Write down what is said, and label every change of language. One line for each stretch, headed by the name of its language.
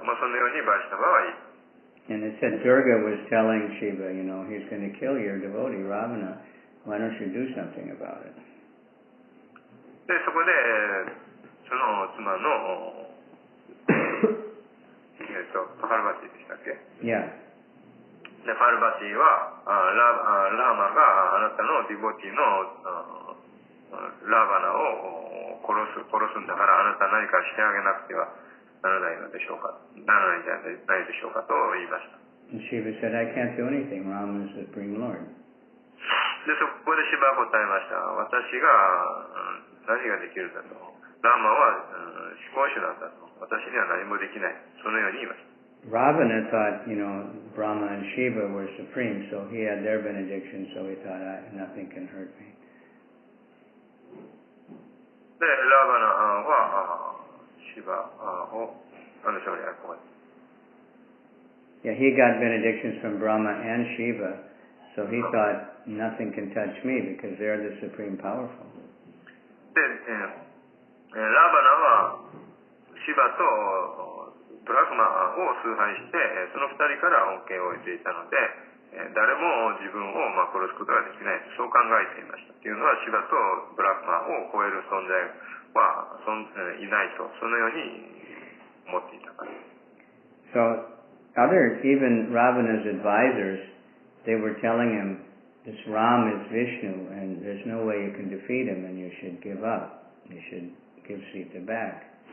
English: And it said Durga was telling Shiva, you know, he's going to kill your devotee, Ravana. Why don't you do something about it?
Japanese: で、そこで、その妻の、パルバティでしたっけ?
English: Yeah.
Japanese: で、パルバティは、ラーマがあなたのディボティの、ラーバナを殺すんだから、あなた何かしてあげなくてはならないのでしょうか、ならないんじゃないでしょうかと言いました。
English: And Shiva said, I can't do anything. Rama is the Supreme Lord.
Japanese: で、そこでシヴァは答えました。私が、何ができるんだと。ラーマは、思考主なんだと。私には何もできない。そのように言いました。
English: Ravana thought, you know, Brahma and Shiva were supreme, so he had their benediction, so he thought, nothing can hurt me.
Japanese: で、ラーバナは、シヴァを、あの人に憧れて。
English: Yeah, he got benedictions from Brahma and Shiva, so he thought, nothing can touch me because they're the supreme powerful.
Japanese: で、ラーバナはシヴァとブラフマを崇拝して、その二人から恩恵を得ていたので、誰も自分を殺すことができない。そう考えていました。というのはシヴァとブラフマを超える存在はいないと、そのように思っていたから。
English: So, other, even Ravana's advisors, they were telling him,This Ram is Vishnu, and there's no way you can defeat him, and you should give up. You should give Sita back.